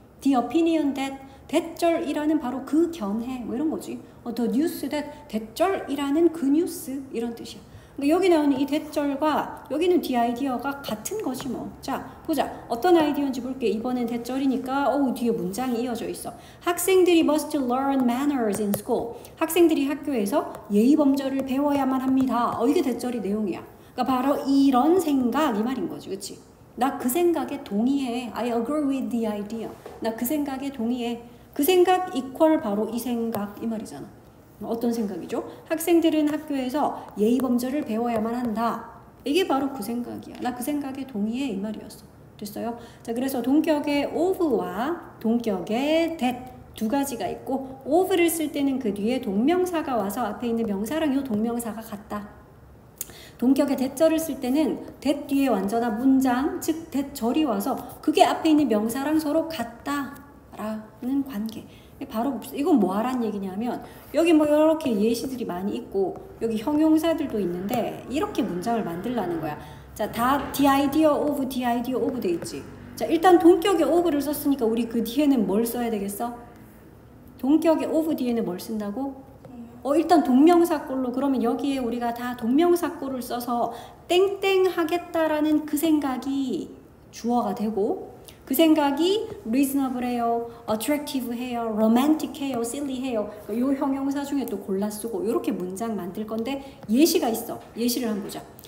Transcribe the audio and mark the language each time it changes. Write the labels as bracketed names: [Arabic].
[English] The opinion that, [Korean] 대절이라는 바로 그 견해, 뭐 이런 거지. [English] The news that, [Korean] 대절이라는 그 뉴스, 이런 뜻이야. 그러니까 여기 나오는 이 대절과 여기는 [English] the idea [Korean] 가 같은 거지 뭐. 자, 보자. 어떤 아이디어인지 볼게. 이번엔 대절이니까 뒤에 문장이 이어져 있어. 학생들이 [English] must learn manners in school. [Korean] 학생들이 학교에서 예의범절을 배워야만 합니다. 이게 대절이 내용이야. 그러니까 바로 이런 생각, 이 말인 거지, 그치? 나 그 생각에 동의해. [English] I agree with the idea. [Korean] 나 그 생각에 동의해. 그 생각 equal 바로 이 생각 이 말이잖아. 어떤 생각이죠? 학생들은 학교에서 예의범절을 배워야만 한다. 이게 바로 그 생각이야. 나 그 생각에 동의해. 이 말이었어. 됐어요? 자, 그래서 동격의 of와 동격의 that 두 가지가 있고, of를 쓸 때는 그 뒤에 동명사가 와서 앞에 있는 명사랑 이 동명사가 같다. 동격의 대절을 쓸 때는 that 뒤에 완전한 문장, 즉 대절이 와서 그게 앞에 있는 명사랑 서로 같다라는 관계. 바로 이건 뭐하란 얘기냐면, 여기 뭐 이렇게 예시들이 많이 있고 여기 형용사들도 있는데 이렇게 문장을 만들라는 거야. 자, 다 [English] the idea of, the idea of [Korean] 돼 있지. 자, 일단 동격의 of를 썼으니까 우리 그 뒤에는 뭘 써야 되겠어? 동격의 of 뒤에는 뭘 쓴다고? 일단 동명사 꼴로. 그러면 여기에 우리가 다 동명사 꼴을 써서 땡땡 하겠다라는 그 생각이 주어가 되고, 그 생각이 reasonable해요, attractive해요, romantic해요, silly해요, 요 형용사 중에 또 골라 쓰고 이렇게 문장 만들 건데, 예시가 있어. 예시를 한번 보자.